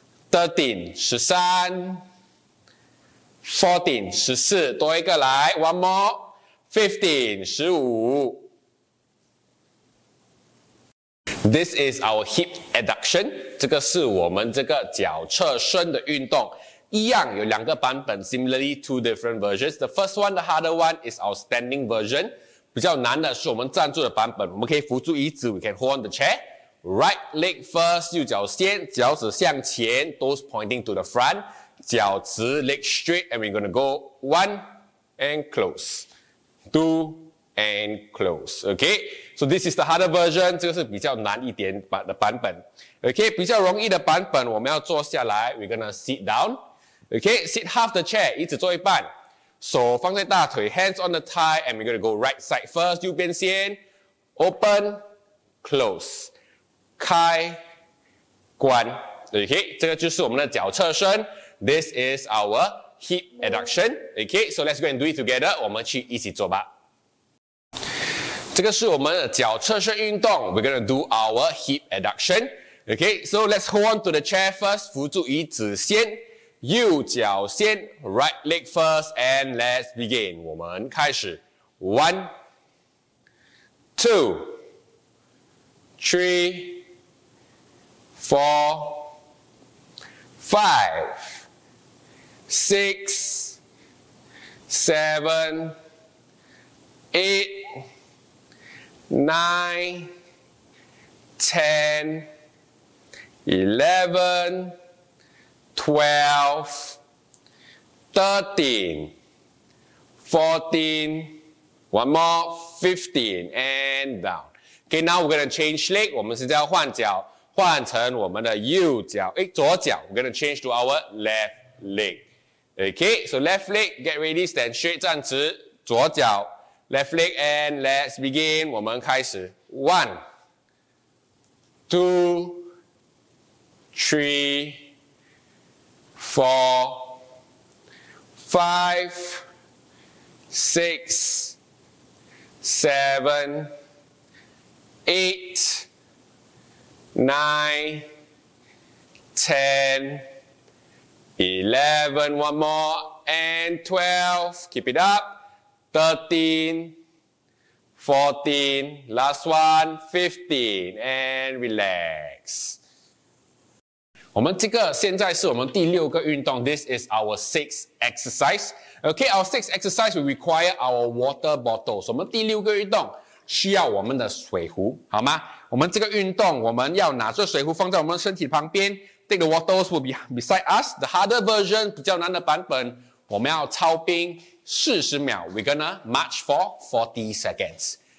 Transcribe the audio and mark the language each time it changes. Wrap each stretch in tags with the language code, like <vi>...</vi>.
<en>Thirteen,</en> <zh>十三</zh> <en>Fourteen,</en> <zh>十四多一个来</zh> <en>One more15, 15. This is our hip adduction.</en> <zh>这个是我们这个脚侧伸的运动。一样有两个版本</zh> <en>similarly two different versions. The first one, the harder one, is our standing version.</en> <zh>比较难的是我们站住的版本。我们可以扶住椅子</zh> <en>we can hold on the chair. Right leg first,</en> <zh>右脚先脚趾向前</zh> <en>toes pointing to the front.</en> <zh>脚直</zh> <en>leg straight, and we're going to go one and close. Do and close. Okay. So this is the harder version.</en> <zh>这个是比较难一点的版本。</zh> <en>Okay.</en> <zh>比较容易的版本我们要坐下来。</zh> <en>We're gonna sit down. Okay. Sit half the chair.</en> <zh>椅子坐一半。手放在大腿。</zh> <en>Hands on the thigh. And we're gonna go right side first.</en> <zh>右边先。</zh> <en>Open. Close.</en> <zh>开。关。</zh> <en>Okay.</en> <zh>这个就是我们的脚侧伸。</zh> <en>This is our... Hip adduction. Okay, so let's go and do it together.</en> <zh>我们去一起做吧。这个是我们的脚侧伸运动。</zh> <en>We're gonna do our hip adduction. Okay, so let's hold on to the chair first.</en> <zh>扶住椅子先。右脚先。</zh> <en>Right leg first. And let's begin.</en> <zh>我们开始。</zh> <en>One, two, three, four, five. Six, seven, eight, nine, ten, 11, 12, 13, 14, one more, 15, and down. Okay, now we're going to change leg.</en> <zh>我们现在要换脚，换成我们的右脚，诶，左脚。</zh> <en>We're going to change to our left leg. Okay, so left leg, get ready, stand straight,</en> <zh>站直，左脚。</zh> <en>Left leg, and let's begin.</en> <zh>我们开始。</zh> <en>One, two, three, four, five, six, seven, eight, nine, ten, 11, one more, and 12, keep it up. 13, 14, last one, 15, and relax.</en> <zh>我们这个现在是我们第六个运动，</zh> <en>This is our sixth exercise. Okay, our sixth exercise will require our water bottles.</en> <zh>我们第六个运动需要我们的水壶，好吗？我们这个运动我们要拿着水壶放在我们身体旁边，</zh> <en>Take the waters will be beside us. The harder version,</en> <zh>比较难的版本，我们要操冰40秒，</zh> <en>we're gonna march for 40 seconds.</en>